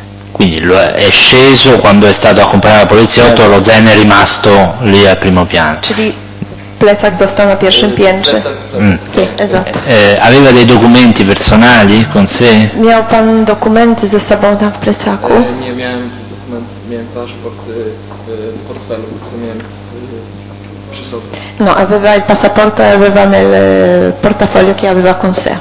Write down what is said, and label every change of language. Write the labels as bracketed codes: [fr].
[it] Quindi è sceso quando è stato accompagnato dal poliziotto, lo zaino è rimasto lì al primo piano. Quindi [pl] plecak został na pierwszym piętrze. [it] Sì, esatto. Aveva dei documenti personali con sé? [pl] Miał pan dokumenty ze sobą tam w plecaku? Nie, miałem paszport w portfelu, który miałem przy sobie. [it] No, aveva il passaporto e aveva nel portafoglio che aveva con sé.